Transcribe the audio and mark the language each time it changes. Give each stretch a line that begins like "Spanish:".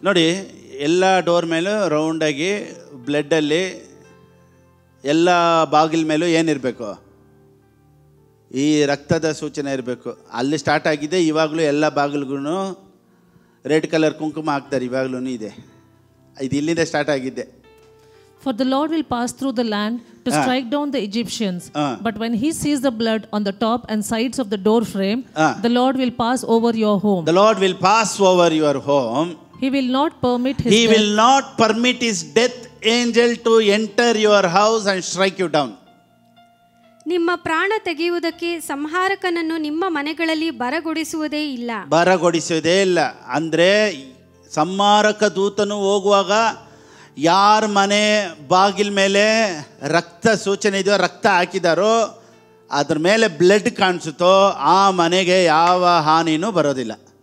Kannada: ನೋಡಿ, ಎಲ್ಲ ಡೋರ್ ಮೇಲೂ ರೌಂಡಾಗಿ ಬ್ಲಡ್ಡಲ್ಲಿ ಎಲ್ಲ ಬಾಗಿಲ ಮೇಲೂ ಏನಿರಬೇಕು, ಈ ರಕ್ತದ ಸೂಚನೆ ಇರಬೇಕು. ಅಲ್ಲಿ ಸ್ಟಾರ್ಟ್ ಆಗಿದೆ, ಇವಾಗಲೂ ಎಲ್ಲ ಬಾಗಿಲುಗಳು ರೆಡ್ ಕಲರ್ ಕುಂಕುಮ ಹಾಕ್ತಾರೆ, ಇವಾಗಲೂ ಇದೆ. ಇದು ಇಲ್ಲಿಂದ ಸ್ಟಾರ್ಟ್ ಆಗಿದೆ.
English: For the Lord will pass through the land to strike down the Egyptians. But when he sees the blood on the top and sides of the door frame, the Lord will pass over your home. The Lord will pass over your home. He will not permit his death. Will not permit his death angel to enter your house and strike you down.
Kannada: ನಿಮ್ಮ ಪ್ರಾಣ ತೆಗೆಯುವುದಕ್ಕೆ ಸಂಹಾರಕನನ್ನು ನಿಮ್ಮ ಮನೆಗಳಲ್ಲಿ ಬರಗೊಡಿಸುವುದೇ ಇಲ್ಲ. ಬರಗೊಡಿಸುವುದೇ ಇಲ್ಲ ಅಂದ್ರೆ ಸಂಹಾರಕ ದೂತನು ಹೋಗುವಾಗ ಯಾರ ಮನೆ ಬಾಗಿಲ ಮೇಲೆ ರಕ್ತ ಸೂಚನೆ ಇದೆಯೋ, ರಕ್ತ ಹಾಕಿದಾರೋ, ಅದ್ರ ಮೇಲೆ ಬ್ಲಡ್ ಕಾಣಿಸುತ್ತೋ, ಆ ಮನೆಗೆ ಯಾವ ಹಾನಿನೂ ಬರೋದಿಲ್ಲ.